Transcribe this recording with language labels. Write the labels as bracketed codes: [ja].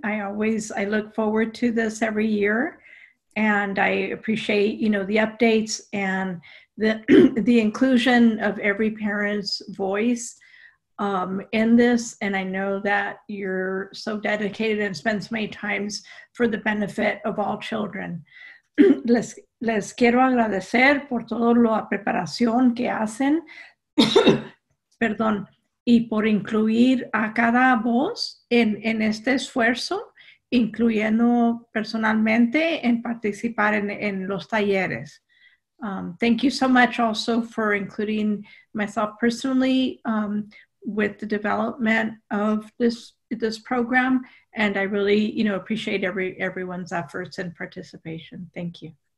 [en] I look forward to this every year, and I appreciate, the updates and the inclusion of every parent's voice in this. And I know that you're so dedicated and spend so many times for the benefit of all children. [es] Les quiero agradecer por todo lo a preparación que hacen. Perdón. Y por incluir a cada voz en este esfuerzo, incluyendo personalmente en participar en los talleres. [en] Thank you so much also for including myself personally with the development of this program. And I really, appreciate everyone's efforts and participation. Thank you.